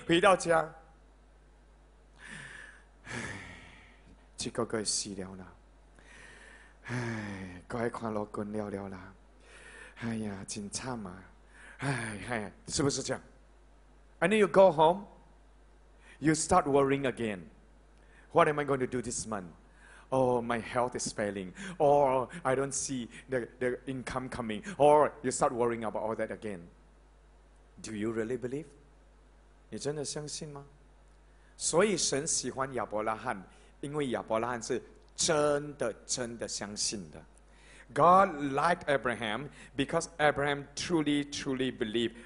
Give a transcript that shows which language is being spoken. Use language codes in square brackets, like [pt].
[zh] 回到家，唉，这个该死了啦，唉，该看落滚了了啦，哎呀，真惨嘛，唉，哎，是不是这样 ？ [en] And then you go home, you start worrying again. What am I going to do this month? Oh, my health is failing. Or I don't see the income coming. Or you start worrying about all that again. Do you really believe? [zh] 你真的相信吗？所以神喜欢亚伯拉罕，因为亚伯拉罕是真的真的相信的。 [en] God liked Abraham because Abraham truly, truly believed.